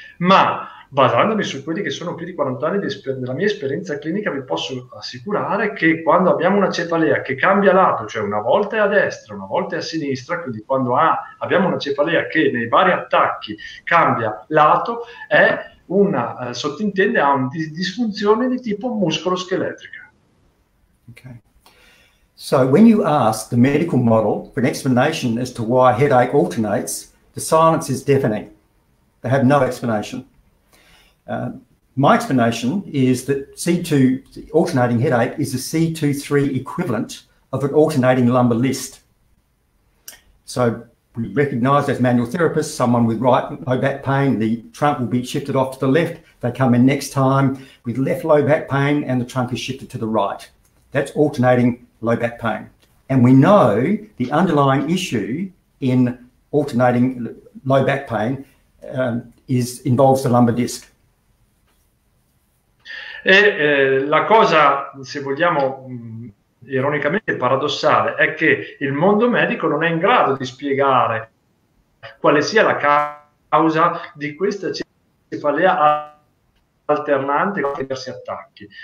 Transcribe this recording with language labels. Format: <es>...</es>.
<it>Ma, basandomi su quelli che sono più di 40 anni della mia esperienza clinica, vi posso assicurare che quando abbiamo una cefalea che cambia lato, cioè una volta è a destra, una volta è a sinistra, quindi quando abbiamo una cefalea che nei vari attacchi cambia lato, è una sottintende a una disfunzione di tipo muscolo-scheletrica. Ok.</it> <en>So when you ask the medical model for an explanation as to why headache alternates, the silence is deafening. They have no explanation. My explanation is that C2, the alternating headache, is a C2-3 equivalent of an alternating lumbar list. So we recognize as manual therapists, someone with right low back pain, the trunk will be shifted off to the left. They come in next time with left low back pain and the trunk is shifted to the right. That's alternating low back pain. And we know the underlying issue in alternating low back pain involves the lumbar disc.</en> <it>La cosa, se vogliamo ironicamente paradossale, è che il mondo medico non è in grado di spiegare quale sia la causa di questa cefalea alternante con diversi attacchi.</it>